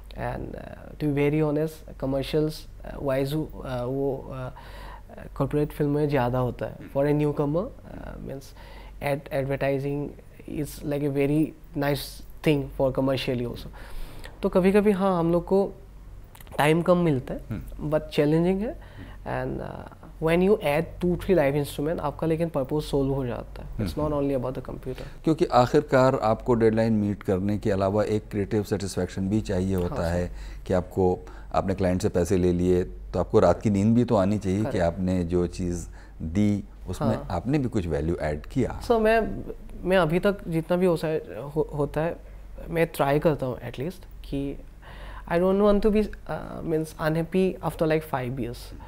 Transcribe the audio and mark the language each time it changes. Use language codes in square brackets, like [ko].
[en] and to be very honest, commercials wise [hi] वो [en] corporate film [hi] में ज़्यादा होता है [en] For a newcomer. Means advertising is like a very nice thing for commercially also. [hi] तो कभी कभी हाँ हम लोग को टाइम कम मिलता है [en] but challenging [hi] है. [en] and When you add 2-3 live instrument, [hi] आपका लेकिन [en] purpose solve [hi] हो जाता है. [en] It's not only about the computer. [hi] क्योंकि आखिरकार आपको deadline meet करने के अलावा एक [en] creative satisfaction [hi] भी चाहिए होता है कि आपको, आपने client से पैसे ले लिए तो आपको रात की नींद भी तो आनी चाहिए कि आपने जो चीज़ दी उसमें आपने भी कुछ value add किया. [en] So [hi] मैं अभी तक जितना भी होता है मैं [en] try [hi] करता हूँ एटलीस्ट कि [en] I don't want to be means unhappy after like 5 years.